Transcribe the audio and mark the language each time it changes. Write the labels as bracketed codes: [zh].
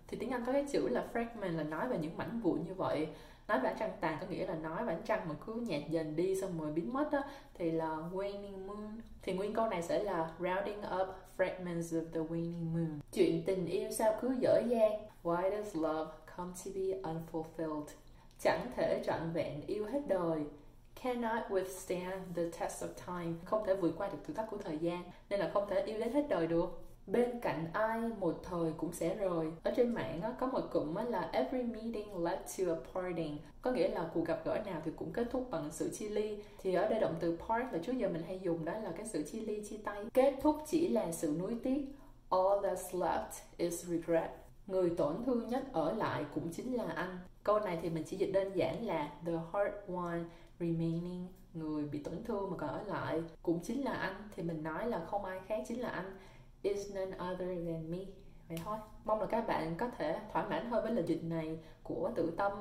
[vi] Thì tiếng Anh có cái chữ là fragment là nói về những mảnh vụn như vậy. Nói về ánh trăng tàn có nghĩa là nói về ánh trăng mà cứ nhạt dần đi xong rồi biến mất á, thì là [en] waning moon. [vi] Thì nguyên câu này sẽ là [en] rounding up fragments of the waning moon. [vi] Chuyện tình yêu sao cứ dở dang? [en] Why does love come to be unfulfilled? [vi] Chẳng thể trọn vẹn yêu hết đời. [en] Cannot withstand the test of time. [vi] Không thể vượt qua được thử thách của thời gian, nên là không thể yêu đến hết đời được. Bên cạnh ai một thời cũng sẽ rời. Ở trên mạng á, có một cụm á, là [en] every meeting led to a parting, [vi] có nghĩa là cuộc gặp gỡ nào thì cũng kết thúc bằng sự chia ly. Thì ở đây động từ part là trước giờ mình hay dùng, đó là cái sự chia ly, chia tay. Kết thúc chỉ là sự nuối tiếc. [en] All that's left is regret. [vi] Người tổn thương nhất ở lại cũng chính là anh. Câu này thì mình chỉ dịch đơn giản là [en] the hurt one remaining, [vi] người bị tổn thương mà còn ở lại cũng chính là anh. Thì mình nói là không ai khác chính là anh. [en] Is none other than me. [vi] Vậy thôi. Mong là các bạn có thể thỏa mãn hơn với lời dịch này của tự tâm.